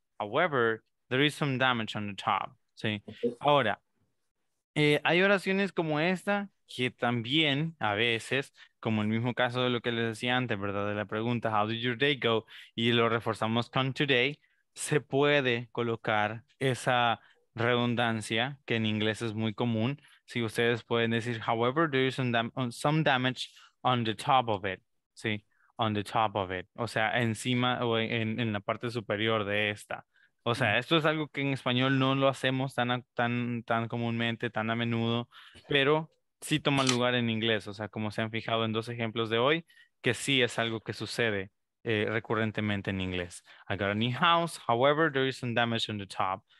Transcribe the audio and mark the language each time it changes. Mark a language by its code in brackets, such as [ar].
[en] However, there is some damage on the top. [es] Sí. Ahora, hay oraciones como esta que también a veces, como el mismo caso de lo que les decía antes, ¿verdad? De la pregunta, [en] how did your day go? [es] Y lo reforzamos con today, se puede colocar esa redundancia que en inglés es muy común. Sí, ustedes pueden decir, [en] however, there is some damage on the top of it. [es] Sí, [en] on the top of it. [es] O sea, encima o en la parte superior de esta. O sea, esto es algo que en español no lo hacemos tan comúnmente, tan a menudo, pero sí toma lugar en inglés. O sea, como se han fijado en dos ejemplos de hoy, que sí es algo que sucede recurrentemente en inglés. [en] I got a new house, however, there is some damage on the top.